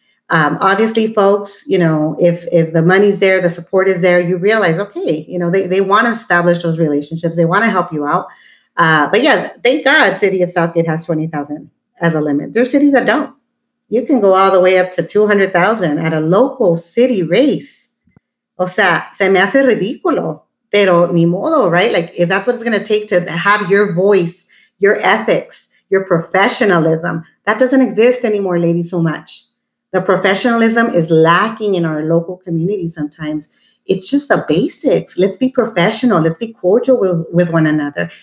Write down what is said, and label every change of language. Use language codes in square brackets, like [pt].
[en] Obviously, folks, you know, if the money's there, the support is there, you realize, okay, you know, they want to establish those relationships. They want to help you out. But yeah, thank God City of Southgate has 20,000 as a limit. There are cities that don't. you can go all the way up to 200,000 at a local city race. [es] O sea, se me hace ridículo, pero ni modo, [en] right? Like, if that's what it's going to take to have your voice, your ethics, your professionalism, that doesn't exist anymore, ladies, so much. The professionalism is lacking in our local community sometimes. It's just the basics. Let's be professional. Let's be cordial with one another.